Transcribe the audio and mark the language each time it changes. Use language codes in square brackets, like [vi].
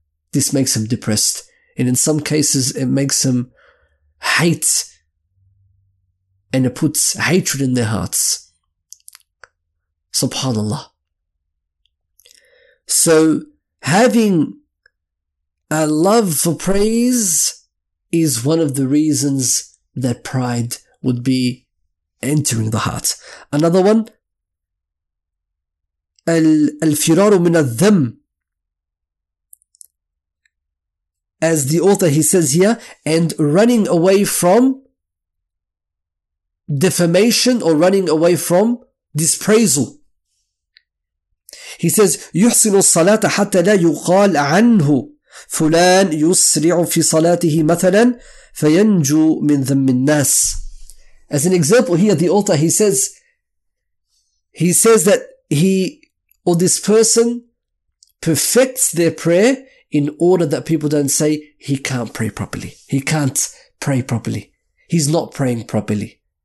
[en] This makes them depressed. And in some cases, it makes them hate, and it puts hatred in their hearts. Subhanallah. So having a love for praise is one of the reasons that pride would be entering the heart. Another one, [ar] الفرار من الذم. [en] As the author, he says here, and running away from defamation, or running away from dispraisal. He says, [ar] يحسن الصلاة حتى لا يقال عنه فلان يسرع في صلاته مثلا فينجو من ذم الناس. [en] As an example here, the author, he says that he, or this person, perfects their prayer in order that people don't say, he can't pray properly. He can't pray properly. He's not praying properly.